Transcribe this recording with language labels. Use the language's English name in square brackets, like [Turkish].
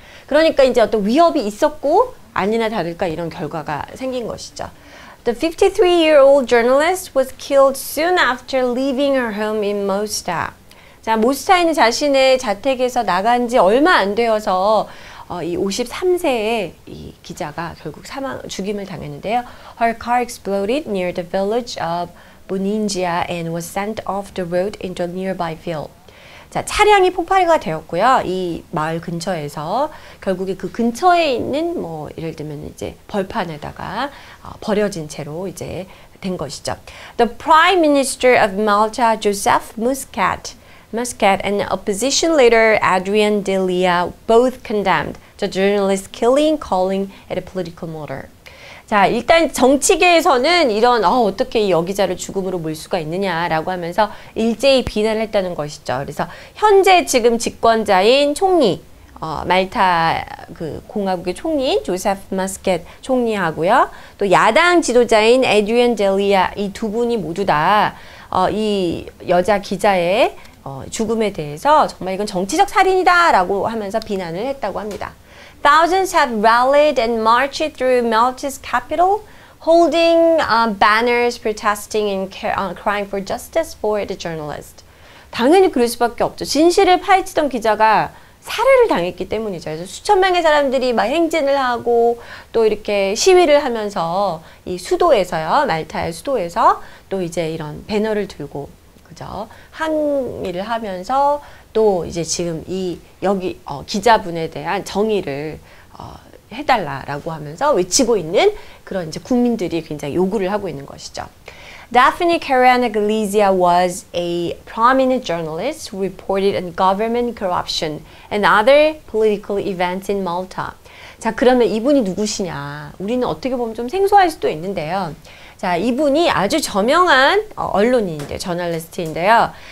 [Korean] 그러니까 이제 어떤 위협이 있었고 아니나 다를까 이런 결과가 생긴 것이죠. [English] The 53-year-old journalist was killed soon after leaving her home in Mosta. [Korean] 자, 모스타에는 자신의 자택에서 나간 지 얼마 안 되어서 이 53세의 이 기자가 결국 죽임을 당했는데요. [English] Her car exploded near the village of Buninjia and was sent off the road into a nearby field. [Korean] 자, 차량이 폭발이 되었고요. 이 마을 근처에서 결국에 그 근처에 있는 뭐 예를 들면 이제 벌판에다가 버려진 채로 이제 된 것이죠. [English] The Prime Minister of Malta, Joseph Muscat and opposition leader Adrian De Lea both condemned the journalist's killing, calling it a political murder. [Korean] 자, 일단 정치계에서는 이런 어떻게 이 여기자를 죽음으로 몰 수가 있느냐라고 하면서 일제히 비난을 했다는 것이죠. 그래서 현재 지금 집권자인 총리 말타 그 공화국의 총리인 조셉 머스켓 총리하고요. 또 야당 지도자인 Adrian De Lea 이 두 분이 모두 다 이 여자 기자의 죽음에 대해서 정말 이건 정치적 살인이다 라고 하면서 비난을 했다고 합니다. [English] Thousands have rallied and marched through Malta's capital holding banners protesting and crying for justice for the journalist. [Korean] 당연히 그럴 수밖에 없죠. 진실을 파헤치던 기자가 살해를 당했기 때문이죠. 그래서 수천 명의 사람들이 막 행진을 하고 또 이렇게 시위를 하면서 이 수도에서요. 말타의 수도에서 또 이제 이런 배너를 들고 항의를 하면서 또 이제 지금 이 여기 기자분에 대한 정의를 해달라라고 하면서 외치고 있는 그런 이제 국민들이 굉장히 요구를 하고 있는 것이죠. [English] Daphne Caruana Galizia was a prominent journalist who reported on government corruption and other political events in Malta. [Korean] 자, 그러면 이분이 누구시냐? 우리는 어떻게 보면 좀 생소할 수도 있는데요. 자, 이분이 아주 저명한 언론인인데, 저널리스트인데요.